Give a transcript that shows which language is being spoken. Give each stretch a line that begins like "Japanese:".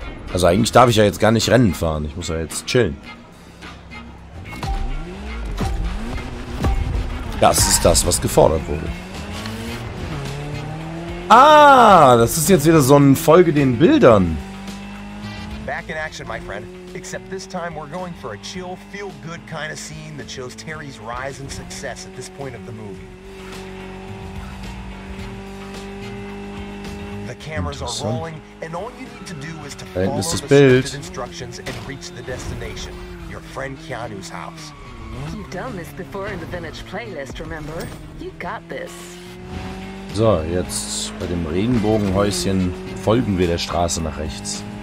German: Also eigentlich darf ich ja jetzt gar nicht Rennen fahren. Ich muss ja jetzt chillen. Das ist das, was gefordert wurde. Ah, das ist jetzt wieder so ein Folge den Bildern.
English: Back in action, my friend. Except this time we're going for a chill, feel-good kind of scene that shows Terry's rise and success at this point of the movie. The cameras are rolling, and all you need to do is to follow the
German: Bild.
English: Instructions and reach the destination, your friend Keanu's house. You've done this before in the Vintage Playlist, remember? You got this.
German: So, jetzt bei dem Regenbogenhäuschen folgen wir der Straße nach rechts.